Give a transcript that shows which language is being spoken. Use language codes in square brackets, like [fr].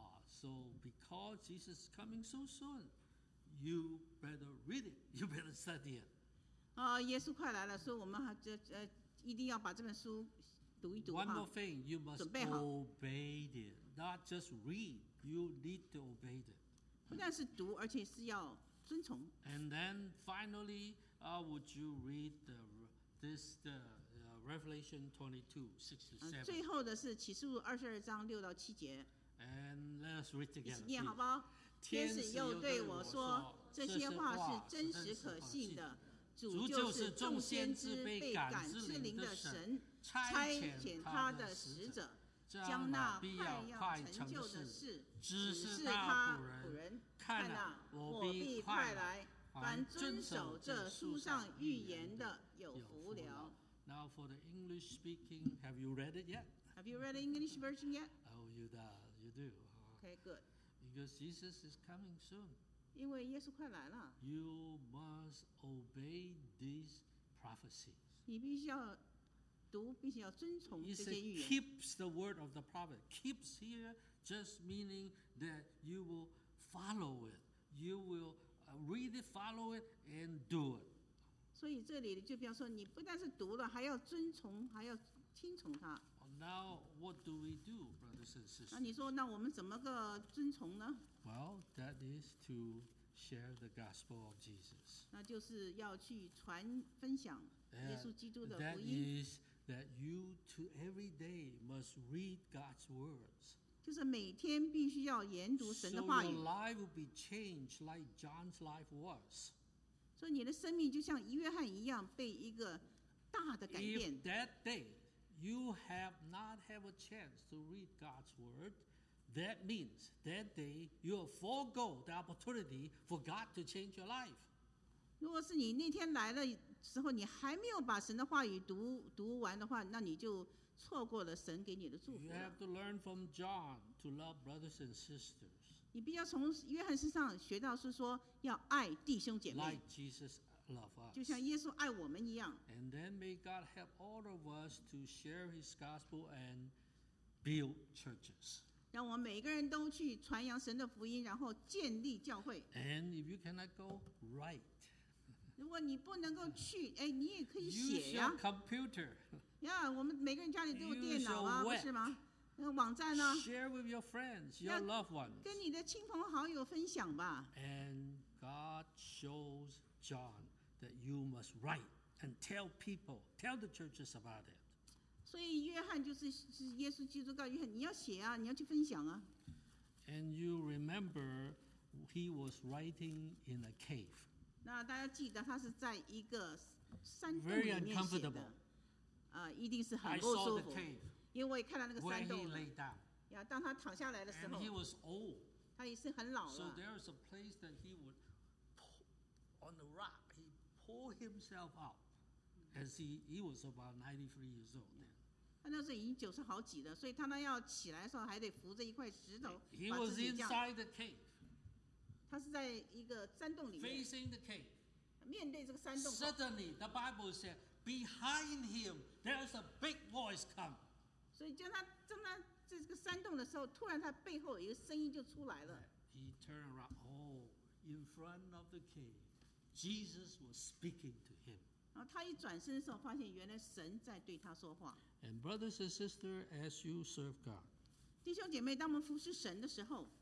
[en] So because Jesus is coming so soon, you better read it. You better study it. [zh] 耶稣快来了，所以我们一定要把这本书读一读的话。 [en] One more thing, you must obey it, not just read. You need to obey it. [zh] 不但是读，而且是要遵从。 [en] And then finally, would you read the this the Revelation 22:6-7? [zh] 最后的是启示录二十二章六到七节。 [en] And let us read together. [zh] 一起念好不好？天使又对我说：“这些话是真实可信的。” 主就是众先知被感知灵的神差遣他的使者，将那快要成就的事指示他仆人。看哪、啊，我必快来，凡遵守这书上预言的有福了。 [en] Now for the English speaking, have you read it yet? Have you read the English version yet? Oh, you do. Okay, good. Because Jesus is coming soon. [zh] 因为耶稣快来了。 [en] You must obey these prophecies. [zh] 你必须要读，并且要遵从这些预言。 [en] It keeps the word of the prophet. Keeps here just meaning that you will follow it. You will really follow it and do it. [zh] 所以这里就比方说，你不但是读了，还要遵从，还要听从他。 [en] Now, what do we do, brothers and sisters? [zh] 那你说，那我们怎么个遵从呢？ [en] Well, that is to share the gospel of Jesus. [zh] 那就是要去传分享耶稣基督的福音。 [en] That is that you to every day must read God's words. [zh] 就是每天必须要研读神的话语。 [en] So your life will be changed like John's life was. [zh] 所以你的生命就像约翰一样被一个大的改变。 [en] If that day,You have not have a chance to read God's word. That means that day you will forego the opportunity for God to change your life. [zh] 如果是你那天来了时候，你还没有把神的话语读完的话，那你就错过了神给你的祝福。 [en] You have to learn from John to love brothers and sisters. [zh] 你必须要从约翰身上学到是说要爱弟兄姐妹。 [en] Like Jesus. Love us. [zh] 就像耶稣爱我们一样。 [en] And then may God help all of us to share His gospel and build churches. [zh] 让我们每个人都去传扬神的福音，然后建立教会。 [en] And if you cannot go, write. 如果你不能够去，哎，你也可以写呀。 Use your computer. [zh] Yeah, 我们每个人家里都有电脑啊，不是吗？那网站呢 [en] ？Share with your friends, your loved ones. [zh] 跟你的亲朋好友分享吧。 [en] And God shows. John, that you must write and tell people, tell the churches about it. [zh] 所以约翰就是耶稣基督告约翰，你要写啊，你要去分享啊。 [en] And you remember, he was writing in a cave. [zh] 那大家记得他是在一个山洞里面写的。 [en] Very uncomfortable. [zh] 一定是很不舒服。 [en] I saw the cave. [zh] 因为我也看到那个山洞。 [en] Where he lay down. [zh] 呀，当他躺下来的时候。 [en] And he was old. [zh] 他也是很老了。 [en] So there is a place that he would. On the rock, he pulled himself up as he was about 93 years old then. [zh] 他那时候已经九十好几了，所以他那要起来的时候还得扶着一块石头。 [en] He was inside the cave. [zh] 他是在一个山洞里面。 [en] Facing the cave. [zh] 面对这个山洞。 [en] Suddenly, the Bible said, behind him, there's a big voice come. [zh] 所以正他在这个山洞的时候，突然他背后有一个声音就出来了。 [en] He turned around. Oh, in front of the cave. Jesus was speaking to him. [zh] 然后他一转身的时候，发现原来神在对他说话。 [en] And brothers and sisters, as you serve God, [zh] 弟兄姐妹，当我们服侍神的时候